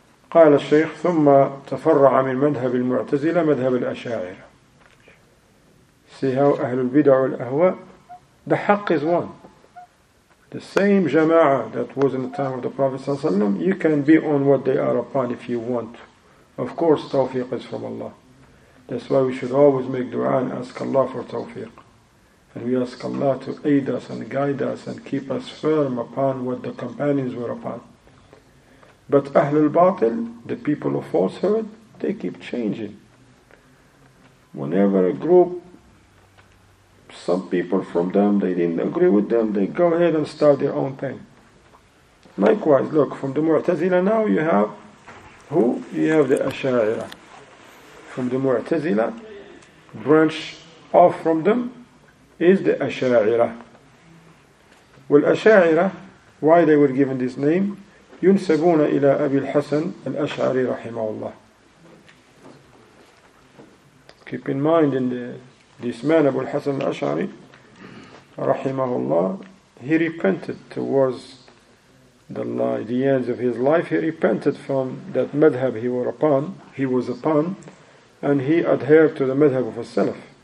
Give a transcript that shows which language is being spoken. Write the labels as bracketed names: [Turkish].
[Arabic] قال الشيخ ثم تفرع من مذهب المعتزلة مذهب الأشاعرة. [English] See how Ahlul Bid'ah wal Ahwa, the haqq is one. The same Jama'ah that was in the time of the Prophet ﷺ, you can be on what they are upon if you want. Of course, tawfiq is from Allah. That's why we should always make dua and ask Allah for tawfiq. And we ask Allah to aid us and guide us and keep us firm upon what the companions were upon. But Ahlul Batil, the people of falsehood, they keep changing. Whenever a group, some people from them, they didn't agree with them, they go ahead and start their own thing. Likewise, look, from the Mu'tazila now you have who? You have the Asha'ira. From the Mu'tazila, branch off from them is the Asha'ira. Well, Asha'ira, why they were given this name? [Arabic] ينسبون إلى أبي الحسن الأشعري رحمه الله. [English] Keep in mind, in this man Abu al-Hasan al-Ash'ari رحمه الله, he repented towards the ends of his life. He repented from that madhab he was upon, and he adhered to the madhab of al-Salaf.